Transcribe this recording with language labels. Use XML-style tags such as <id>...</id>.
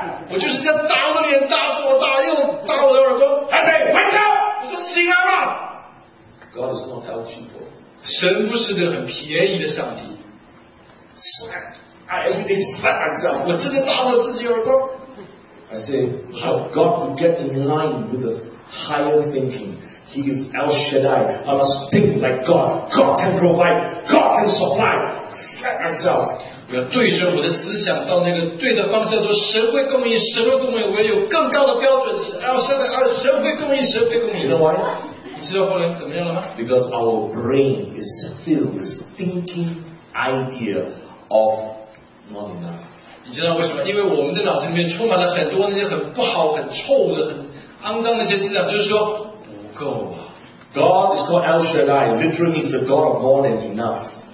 <zh>我就是在打我的脸,打左,打右,打我的耳朵.</zh> <en>I say, wake up!</en> <zh>我说醒来吧.</zh> <en>God is not that cheap.</en> <zh>神不是那很便宜的上帝.</zh> <en>I say, I've got to get in line with the higher thinking. He is El Shaddai. I must think like God. God can provide. God can supply. Slap myself.</en> <zh>我要对着我的思想到那个对的方向，说神会供应，神会供应，我有更高的标准。神会供应，神会供应。</zh> <en>You know why?</en> <zh>你知道后来怎么样了吗?</zh> <en>Because our brain is filled with thinking idea of not enough.</en> <zh>你知道为什么？因为我们的脑子里面充满了很多那些很不好、很臭的、很肮脏的那些思想，就是说不够啊。</zh> <en>God is called El Shaddai, literally means the God of more than enough.</en>